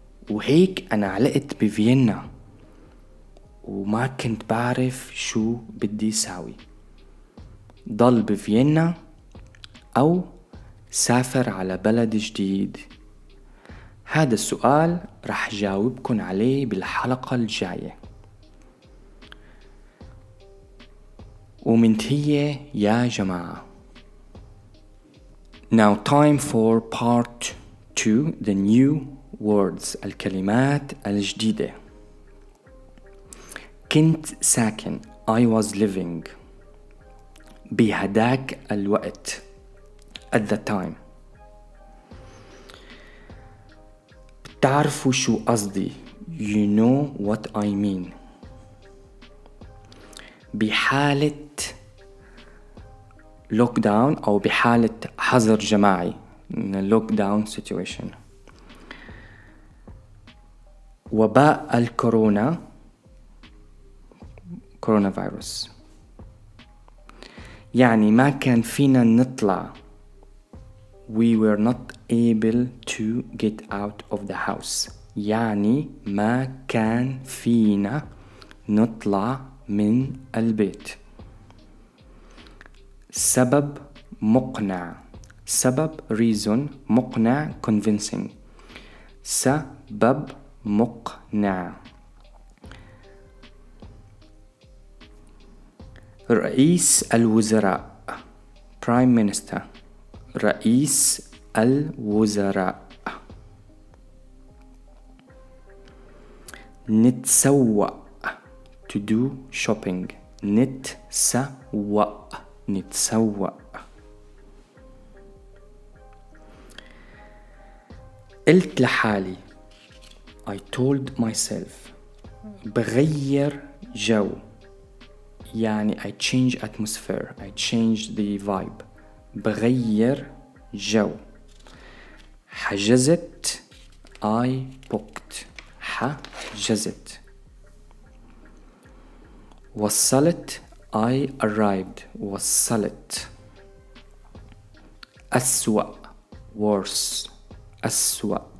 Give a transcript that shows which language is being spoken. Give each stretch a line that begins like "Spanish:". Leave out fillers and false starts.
Arabic: وهيك انا علقت بفيينا وما كنت بعرف شو بدي ساوي، ضل بفيينا او سافر على بلد جديد. هذا السؤال رح جاوبكن عليه بالحلقة الجاية، ومنتهية يا جماعة.
English: Now time for part 2, the new words،
Arabic: الكلمات الجديدة. كنت ساكن،
English: I was living،
Arabic: بهداك الوقت،
English: at the time.
Arabic: تعرفوا شو قصدي،
English: you know what I mean.
Arabic: بحالة lockdown أو بحالة حظر جماعي،
English: lockdown situation،
Arabic: وباء الكورونا، coronavirus، يعني ما كان فينا نطلع.
English: We were not able to get out of the house،
Arabic: يعني ما كان فينا نطلع من البيت. سبب مقنع، سبب reason، مقنع convincing، سبب مقنع. رئيس الوزراء،
English: prime minister،
Arabic: رئيس الوزراء. نتسوق،
English: to do shopping،
Arabic: نتسوق، نتسوق. قلت لحالي،
English: I told myself،
Arabic: بغير جو، يعني
English: I change atmosphere، I change the vibe،
Arabic: بغير جو. حجزت،
English: I booked،
Arabic: حجزت. وصلت،
English: I arrived،
Arabic: وصلت. أسوأ، worse، أسوأ.